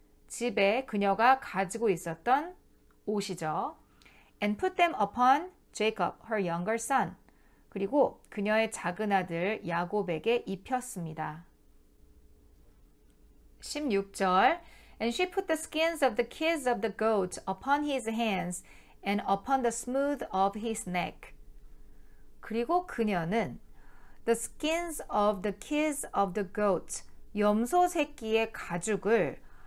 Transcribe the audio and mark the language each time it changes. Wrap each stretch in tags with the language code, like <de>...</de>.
<ko>집에 그녀가 가지고 있었던 옷이죠.</ko> <en>And put them upon Jacob, her younger son.</en> <ko>그리고 그녀의 작은 아들 야곱에게 입혔습니다.</ko> <en>16절 And she put the skins of the kids of the goat upon his hands and upon the smooth of his neck.</en> <ko>그리고 그녀는</ko> <en>the skins of the kids of the goat,</en> <ko>염소 새끼의 가죽을</ko>